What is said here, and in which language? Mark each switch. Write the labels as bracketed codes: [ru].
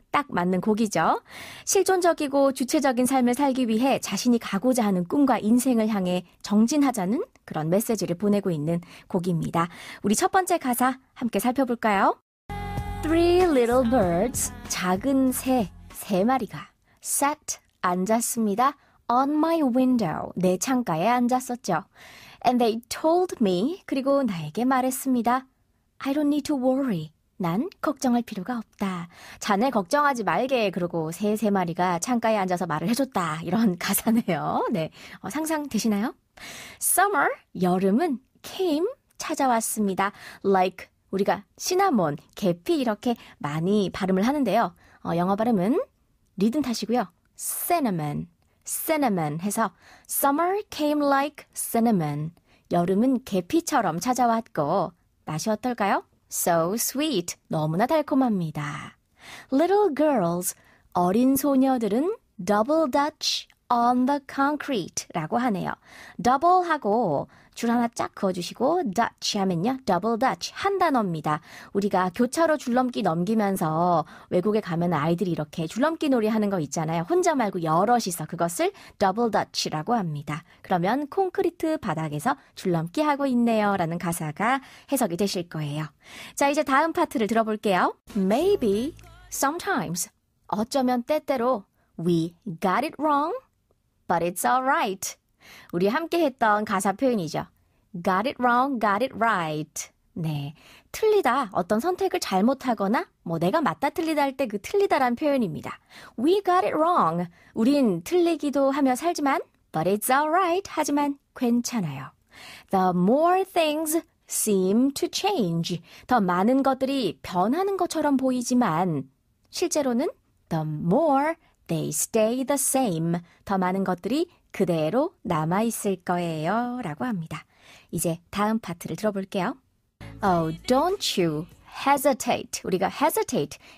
[ko] 딱 맞는 곡이죠. 실존적이고 주체적인 삶을 살기 위해 자신이 가고자 하는 꿈과 인생을 향해 정진하자는 그런 메시지를 보내고 있는 곡입니다. 우리 첫 번째 가사 함께 살펴볼까요? [en] Three little birds, [ko] 작은 새, 세 마리가 sat 앉았습니다. [en] On my window, [ko] 내 창가에 앉았었죠. [en] And they told me, [ko] 그리고 나에게 말했습니다. [en] I don't need to worry. [ko] 난 걱정할 필요가 없다. 자네 걱정하지 말게. 그리고 세 마리가 창가에 앉아서 말을 해줬다. 이런 가사네요. 네, 상상되시나요? Summer, 여름은 came, 찾아왔습니다. Like, 우리가 시나몬, 계피 이렇게 많이 발음을 하는데요. 영어 발음은 리듬 탓이고요. [en] cinnamon, cinnamon 해서 summer came like cinnamon. [ko] 여름은 계피처럼 찾아왔고 맛이 어떨까요? [en] So sweet, [ko] 너무나 달콤합니다. [en] Little girls, [ko] 어린 소녀들은 [en] double dutch, on the concrete [ko] 라고 하네요. double하고 줄 하나 쫙 그어주시고 dutch 하면요. double dutch 한 단어입니다. 우리가 교차로 줄넘기 넘기면서 외국에 가면 아이들이 이렇게 줄넘기 놀이 하는 거 있잖아요. 혼자 말고 여럿이서 그것을 double dutch라고 합니다. 그러면 콘크리트 바닥에서 줄넘기 하고 있네요 라는 가사가 해석이 되실 거예요. 자, 이제 다음 파트를 들어볼게요. [en] Maybe, sometimes, [ko] 어쩌면 때때로 [en] We got it wrong, but it's all right. [ko] 우리 함께 했던 가사 표현이죠. [en] Got it wrong, got it right. [ko] 네, 틀리다, 어떤 선택을 잘못하거나 뭐 내가 맞다 틀리다 할 때 그 틀리다란 표현입니다. [en] We got it wrong. [ko] 우린 틀리기도 하며 살지만 [en] but it's all right. [ko] 하지만 괜찮아요. [en] The more things seem to change. [ko] 더 많은 것들이 변하는 것처럼 보이지만 실제로는 [en] the more They stay the same. [ko] 더 많은 것들이 그대로 남아있을 거예요. 라고 합니다. 이제 다음 파트를 들어볼게요. [en] Oh, don't you hesitate. [ko] 우리가 hesitate.